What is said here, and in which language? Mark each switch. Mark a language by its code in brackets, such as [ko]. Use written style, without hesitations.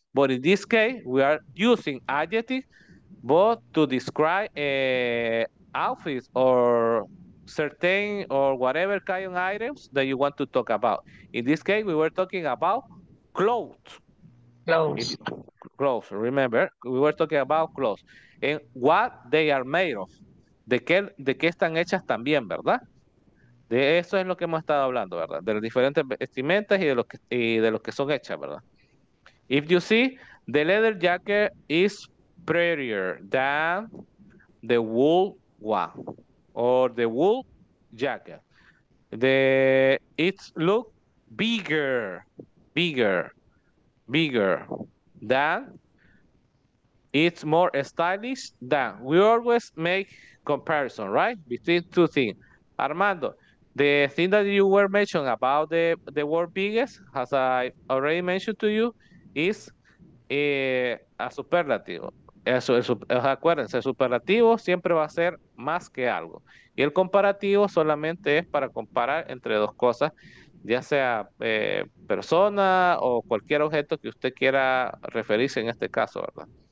[en] But in this case, we are using adjectives both to describe outfits or certain or whatever kind of items that you want to talk about. In this case, we were talking about clothes. Remember, we were talking about clothes and what they are made of. [es] De qué están hechas también, ¿verdad? De eso es lo que hemos estado hablando, ¿verdad? De las diferentes vestimentas y de lo que son hechas, ¿verdad? [en] If you see, the leather jacket is prettier than the wool one or the wool jacket. It looks bigger than, it's more stylish than. We always make comparison, right? Between two things. Armando, the thing that you were mentioning about the word biggest, as I already mentioned to you, is a superlative. [es] Eso, acuérdense, el superlativo siempre va a ser más que algo. Y el comparativo solamente es para comparar entre dos cosas, ya sea persona o cualquier objeto que usted quiera referirse en este caso, ¿verdad?